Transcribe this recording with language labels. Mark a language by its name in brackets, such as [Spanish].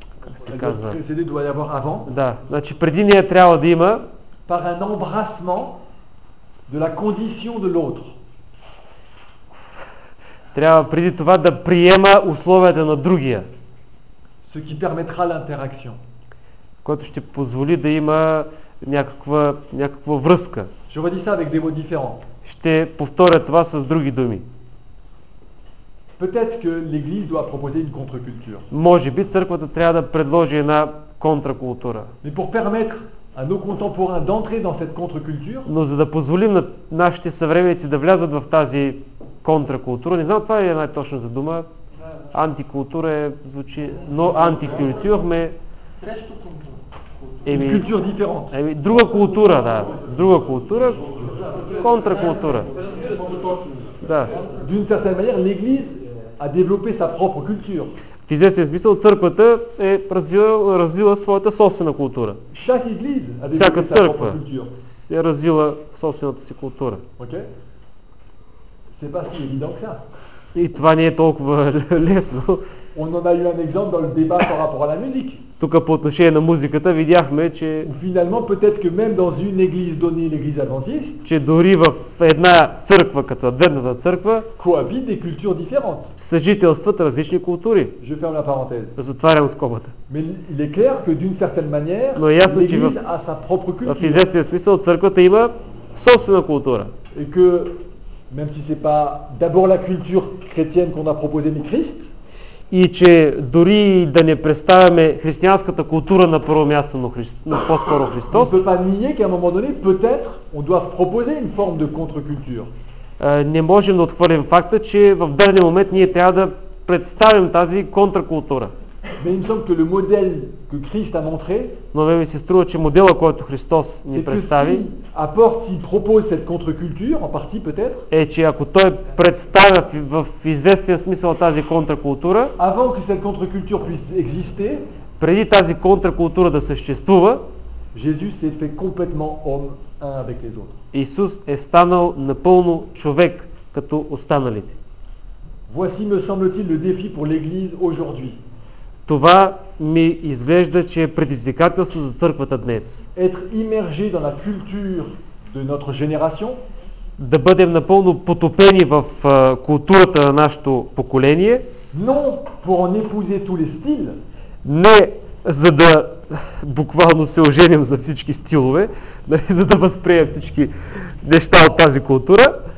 [French] précédé doit y avoir avant. [Bulgarian] Да, значи преди нея трябва да има [French] par un embrassement de la condition de l'autre. [Bulgarian] Трябва преди това да приема условията на другия. [French] Ce qui permettra l'interaction. [Bulgarian] Което ще позволи да има някаква връзка. [French] Je vais dire ça avec des mots différents. [Bulgarian] Ще повторя това с други думи. [French] Peut-être que l'église doit proposer une contre-culture. [Bulgarian] Може би църквата трябва да предложи една контракултура. [French] Mais pour permettre à nos contemporains d'entrer dans cette contre-culture, [Bulgarian] но за да позволим на нашите съвременици да влязат в тази контракултура, не знам това е най-точната дума. Антикултура е звучи, но антикултюр ме срещу контракултура. [French] Еми, culture différente. [Bulgarian] Еми, друга култура, да. Друга култура, контракултура. Да. [French] D'une certaine manière, l'église a développé sa propre culture. [Bulgarian] В известен смисъл църквата е развила своята собствена култура. [French] Chaque église a développé sa propre culture. [Bulgarian] Всяка църква е развила собствената си култура. Okay. [French] C'est pas si évident que ça. [Bulgarian] И това не е толкова лесно. [French] On en a eu un exemple dans le débat par rapport à la musique. [Bulgarian] Тук по отношение на музиката видяхме, че [French] finalement peut-être que même dans une église donnée l'église adventiste, [Bulgarian] че дори в една църква като Адвентната църква [French] cohabitent des cultures différentes. [Bulgarian] Съжителстват различни култури. [French] Je ferme la parenthèse. [Bulgarian] Затварям скобата. [French] Mais il est clair que d'une certaine manière, [Bulgarian] но е ясно, [French] l'église [Bulgarian] че [French] a sa propre culture. [Bulgarian] В известен смисъл църквата има собствена култура. [French] Et que même si c'est pas d'abord la culture chrétienne qu'on a proposé mais Christ, [Bulgarian] и че дори да не представяме християнската култура на първо място, но по-скоро Христос. Не можем да ние, че в момент даде, [French] peut-être, on doit proposer une forme de contre-culture. [Bulgarian] Не можем да отхвърлим факта, че в даден момент ние трябва да представим тази контркултура. [French] Mais il me semble que le modèle que Christ a montré, s'il propose cette contre-culture, en partie peut-être, et que, [Bulgarian] ако той представя в известен смисъл тази контркултура, [French] avant que cette contre-culture puisse exister, [Bulgarian] преди тази контркултура да съществува, [French] Jésus s'est fait complètement homme un avec les autres. [Bulgarian] Исус е станал напълно човек като останалите. [French] Voici, me semble-t-il, le défi pour l'Église aujourd'hui. [Bulgarian] Това ми изглежда, че е предизвикателство за църквата днес. [French] Être immergé dans la culture de notre génération. [Bulgarian] Да бъдем напълно потопени в културата на нашето поколение. [French] Non, pour en épouser tous les styles. [Bulgarian] Не, за да буквално се оженим за всички стилове, нали, за да възприем всички неща от тази култура.